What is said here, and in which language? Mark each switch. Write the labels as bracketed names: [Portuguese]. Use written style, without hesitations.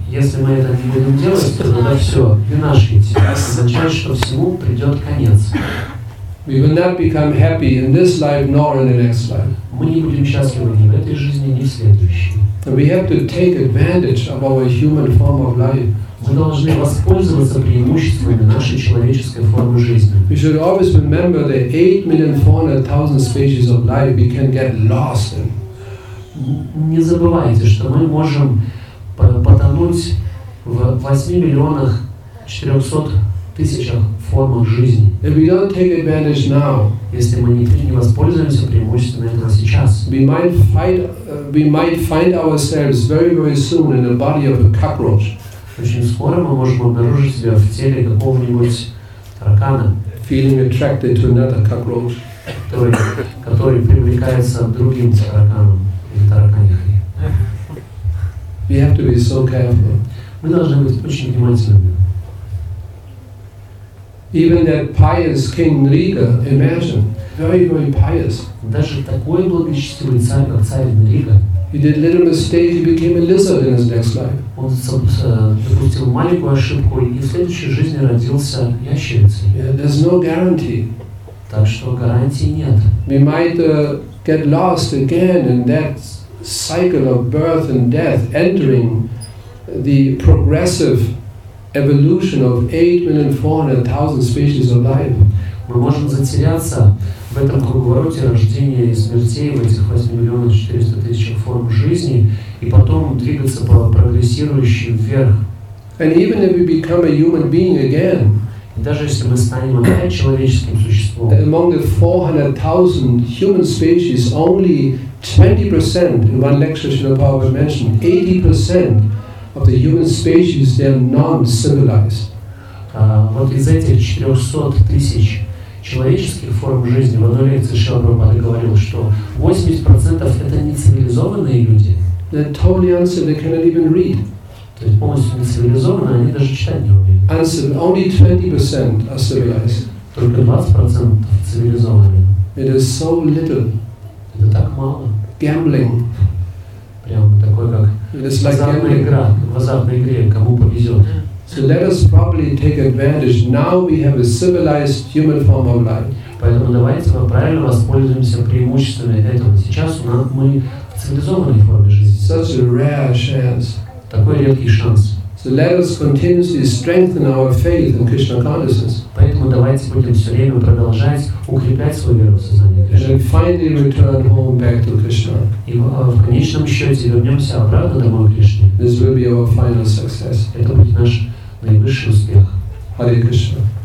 [Russian] Если мы это не будем делать, то тогда все. Vinashyati означает, что всему придет конец. [English] We will not become happy in this life nor in the next life. [Russian] Мы не будем счастливы ни в этой жизни, ни в следующей. [English] We have to take advantage of our human form of life. [Russian] Мы должны воспользоваться преимуществами нашей человеческой формы жизни. [English] We should always remember the 8,400,000 species of life we can get lost in. [Russian] Не забывайте, что мы можем потонуть в 8,400,000 формах жизни. [English] If we don't take advantage now, [Russian] если мы не воспользуемся преимуществами этого сейчас, [English] we might find ourselves very, very soon in the body of a cockroach. [Russian] Очень скоро мы можем обнаружить себя в теле какого-нибудь таракана, [English] feeling attracted to another cockroach, [Russian] который привлекается к другим тараканам или тараканихе. [English] We have to be so careful. [Russian] Мы должны быть очень внимательными. [English] Even that pious king Nriga, imagine, very, very pious. [Russian] Даже такой благочестивый царь, как царь Нрига. [English] He did little mistake, he became a lizard in his next life. [Russian] Он допустил маленькую ошибку и в следующей жизни родился ящерицей. [English] Yeah, there's no guarantee. [Russian] Так что гарантии нет. [English] We might get lost again in that cycle of birth and death, entering the progressive evolution of 8,400,000 species of life. [Russian] Мы можем затеряться в этом круговороте рождения и смертей, в этих 8,400,000 форм жизни, и потом двигаться по прогрессирующей вверх. [English] And even if we become a human being again, [Russian] и даже если мы станем опять человеческим существом, [English] among the 400,000 human species, only 20% in one lecture Srila Prabhupada mentioned, 80% of the human species, they are non-civilized. [Russian] Вот из этих 400,000 человеческих форм жизни, в одной лекции Шрила Прабхупада говорил, что 80% это не цивилизованные люди. [English] They're totally uncivil, they cannot even read. [Russian] То есть полностью не цивилизованные, они даже читать не умеют. [English] Uncivil, only 20% are civilized. [Russian] Только 20% цивилизованные. [English] It is so little. [Russian] Это так мало. [English] Gambling. [Russian] Прямо такое, как в азартной игре, кому повезет. [English] So let us properly take advantage. Now we have a civilized human form of life. [Russian] Поэтому давайте мы правильно воспользуемся преимуществами этого. Сейчас мы в цивилизованной форме жизни. [English] Such a rare chance. [Russian] Такой редкий шанс. [English] So let us continuously strengthen our faith in Krishna consciousness. [Russian] Поэтому давайте будем все время продолжать укреплять свою веру в сознание Кришны. [English] And finally return home back to Krishna. [Russian] И в конечном счете вернемся обратно домой к Кришне. [English] This will be our final success. [Russian] Это будет наш наивысший успех. [Sanskrit] Hare Krishna.